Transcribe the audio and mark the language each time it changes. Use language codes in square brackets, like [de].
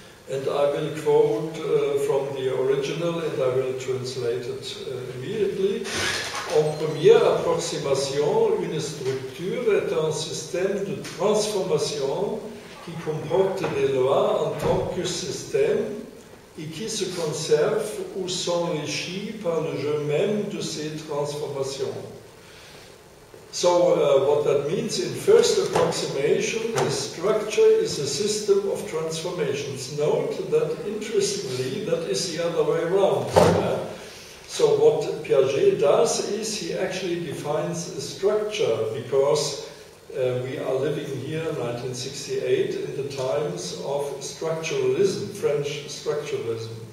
[en] And I will quote from the original, and I will translate it immediately. [fr] En première approximation, une structure est un système de transformation qui comporte des lois en tant que système et qui se conserve ou s'enrichit par le jeu même de ces transformations. [en] So what that means in first approximation is structure is a system of transformations. Note that, interestingly, that is the other way around. So what Piaget does is he actually defines a structure, because we are living here in 1968 in the times of structuralism, French structuralism.